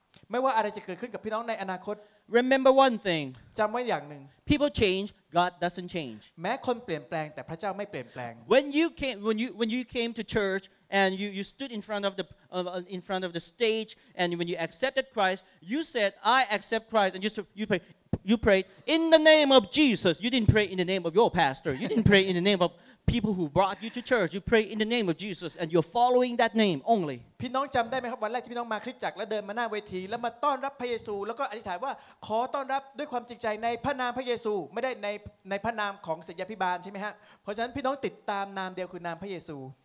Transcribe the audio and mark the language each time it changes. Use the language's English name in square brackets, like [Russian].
[Thai] ไม่ว่าอะไรจะเกิดขึ้นกับพี่น้องในอนาคต [English] remember one thing [Thai] จําไว้อย่างนึง [English] people change god doesn't change [Thai] แม้คนเปลี่ยนแปลงแต่พระเจ้าไม่เปลี่ยนแปลง [English] when you came to churchAnd you stood in front of the stage, and when you accepted Christ, you said, "I accept Christ." And you prayed in the name of Jesus. You didn't pray in the name of your pastor. You didn't pray in the name of people who brought you to church. You pray in the name of Jesus, and you're following that name only. [Thai] พี่น้องจำได้ไหมครับวันแรกที่พี่น้องมาคริสตจักรแล้วเดินมาหน้าเวทีแล้วมาต้อนรับพระเยซูแล้วก็อธิษฐานว่าขอต้อนรับด้วยความจริงใจในพระนามพระเยซูไม่ได้ในพระนามของศิษยาภิบาลใช่ไหมฮะเพราะฉะนั้นพี่น้องติดตามนามเดียวคือนามพระเยซู